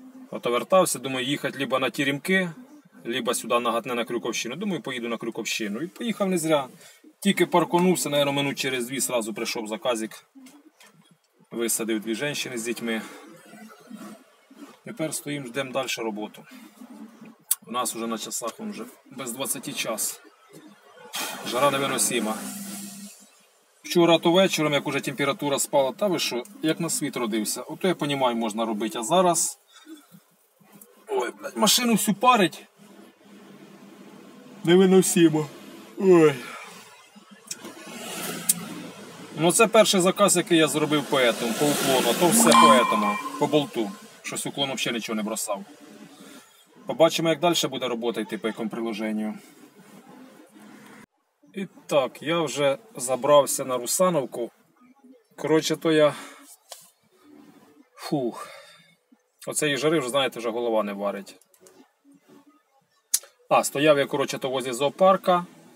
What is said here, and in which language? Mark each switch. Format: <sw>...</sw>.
<uk>От повертався, думаю, їхати либо на Тіремки, либо сюди на Гатне, на Крюковщину. Думаю, поїду на Крюковщину. І поїхав не зря. Тільки паркунувся, наверное, минут через 2 сразу прийшов заказик. Висадив дві жінки з дітьми. Тепер стоїмо, ждемо далі роботу. У нас уже на часах, он уже без 20 час.</uk> <ru>Жара невыносима.</ru> <uk>Вчора то вечером, як уже температура спала, та ви що, як на світ родився. Ото я понимаю, можна робити, а зараз... Ой, блядь, машину всю парить. невиносимо. Ой. Ну це перший заказ, який я зробив по етому, по уклону, а то все по етому, по болту. Щось уклоном ще нічого не бросав. Побачимо, як далі буде робота йти по якому приложенню. І так, я вже забрався на Русановку. Коротше, то я... Фух. Оцеї жари, вже, знаєте, вже голова не варить. А, стояв я, коротше, то возле зоопарка.</uk>